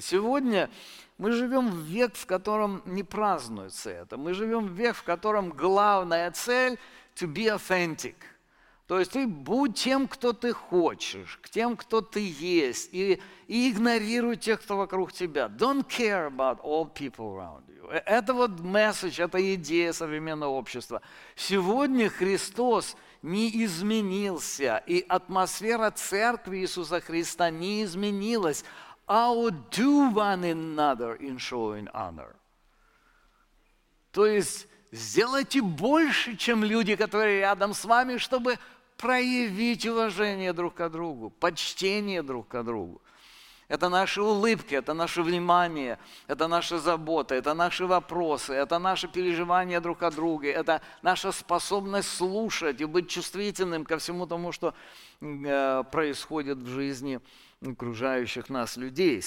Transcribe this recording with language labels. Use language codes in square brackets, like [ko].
[ru] Сегодня мы живем в век, в котором не празднуется это. Мы живем в век, в котором главная цель – [en] to be authentic. [ru] То есть ты будь тем, кто ты хочешь, к тем, кто ты есть, и игнорируй тех, кто вокруг тебя. [en] Don't care about all people around you. [ru] Это вот месседж, это идея современного общества. Сегодня Христос не изменился, и атмосфера Церкви Иисуса Христа не изменилась. [en] Outdo one another in showing honor. [ru] То есть сделайте больше, чем люди, которые рядом с вами, чтобы проявить уважение друг к другу, почтение друг к другу. Это наши улыбки, это наше внимание, это наша забота, это наши вопросы, это наши переживания друг о друге, это наша способность слушать и быть чувствительным ко всему тому, что происходит в жизни окружающих нас людей.